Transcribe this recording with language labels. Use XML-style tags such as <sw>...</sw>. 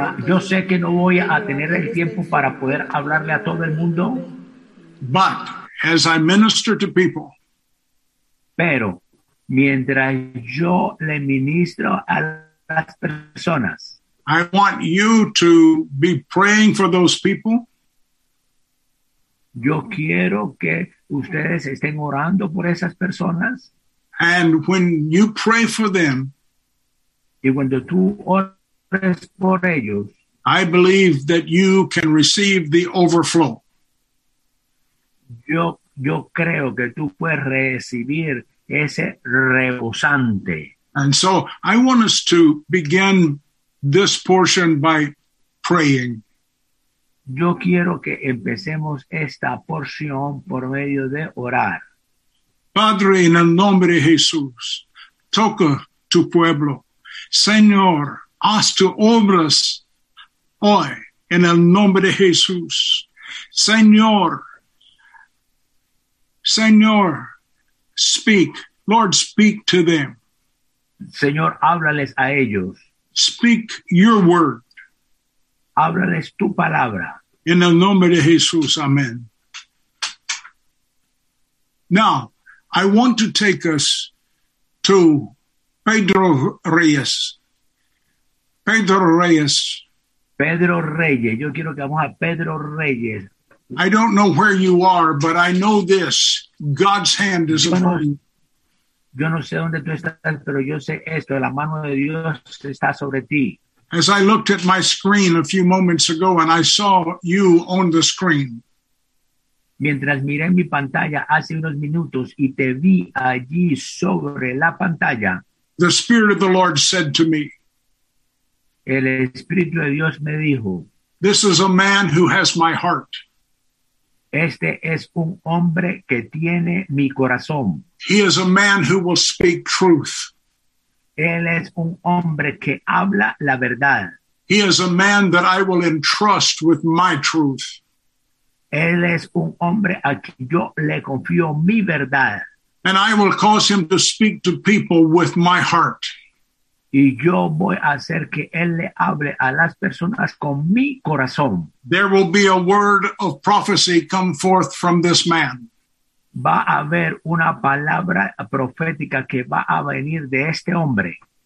<es>Yo sé que no voy a tener el tiempo para poder hablarle a todo el mundo.</es> <en>But as I minister to people,</en> <es>pero mientras yo le ministro a las personas,</es> <en>I want you to be praying for those people.</en> <es>Yo quiero que ustedes estén orando por esas personas.</es> <en>And when you pray for them,</en> <es>y cuando tú ores por ellos,</es> <en>I believe that you can receive the overflow.</en> <es>Yo creo que tú puedes recibir ese rebosante.</es> <en>And so I want us to begin this portion by praying.</en> <es>Yo quiero que empecemos esta porción por medio de orar. Padre, en el nombre de Jesús, toca tu pueblo. Señor, haz tu obras hoy en el nombre de Jesús. Señor,</es> <en>speak. Lord, speak to them.</en> <es>Señor, háblales a ellos.</es> <en>Speak your word.</en> <es>Háblales tu palabra. En el nombre de Jesús, amén.</es> <en>Now, I want to take us to Pedro Reyes. Pedro Reyes,</en> <es>Pedro Reyes. Yo quiero que vamos a Pedro Reyes.</es> <en>I don't know where you are, but I know this. God's hand is upon you.</en> <es>Yo no sé dónde tú estás, pero yo sé esto. La mano de Dios está sobre ti.</es> <en>As I looked at my screen a few moments ago and I saw you on the screen.</en> <es>Mientras miré mi pantalla hace unos minutos y te vi allí sobre la pantalla.</es> <en>The Spirit of the Lord said to me.</en> <es>El Espíritu de Dios me dijo.</es> <en>This is a man who has my heart.</en> <es>Este es un hombre que tiene mi corazón.</es> <en>He is a man who will speak truth.</en> <es>Él es un hombre que habla la verdad.</es> <en>He is a man that I will entrust with my truth.</en> <es>Él es un hombre a quien yo le confío mi verdad.</es> <en>And I will cause him to speak to people with my heart.</en> <es>Y yo voy a hacer que él le hable a las personas con mi corazón.</es> <en>There will be a word of prophecy come forth from this man.</en> <es>Va a haber una palabra profética que va a venir de este hombre.</es>